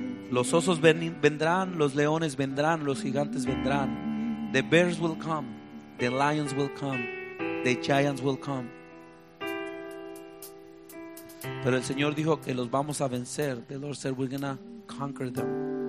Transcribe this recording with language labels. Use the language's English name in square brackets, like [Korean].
[Spanish] Los osos vendrán, los leones vendrán, los gigantes vendrán. [English] The bears will come, the lions will come, the giants will come. [Spanish] Pero el Señor dijo que los vamos a vencer. [English] The Lord said we're gonna conquer them.